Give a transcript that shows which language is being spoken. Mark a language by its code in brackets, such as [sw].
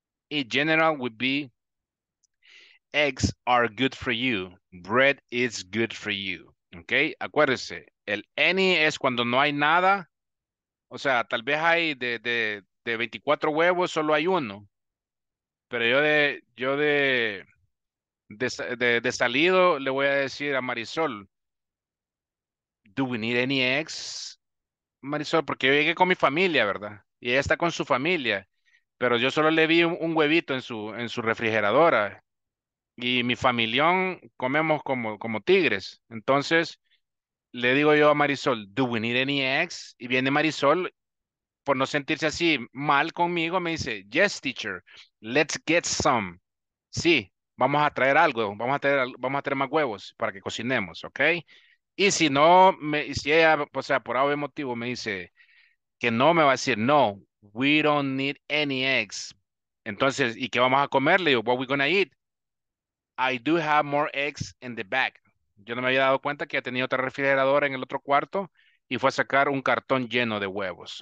[en] In general would be eggs are good for you. Bread is good for you. Okay? [es] Acuérdese, el any es cuando no hay nada. O sea, tal vez hay de 24 huevos, solo hay uno. Pero yo de salido le voy a decir a Marisol, [en] do we need any eggs? [es] Marisol, porque yo llegué con mi familia, ¿verdad? Y ella está con su familia, pero yo solo le vi un huevito en su refrigeradora. Y mi familión comemos como tigres. Entonces, le digo yo a Marisol, [en] do we need any eggs? [es] Y viene Marisol, por no sentirse así mal conmigo, me dice, [en] yes, teacher, let's get some. [es] Sí, vamos a traer algo, vamos a traer más huevos para que cocinemos, ¿ok? Y si no, si ella, o sea, por algún motivo me dice que no, me va a decir, no, [en] we don't need any eggs. [es] Entonces, ¿y qué vamos a comer? Le digo, [en] what are we gonna eat? I do have more eggs in the back. [es] Yo no me había dado cuenta que ya tenía otra refrigeradora en el otro cuarto y fue a sacar un cartón lleno de huevos.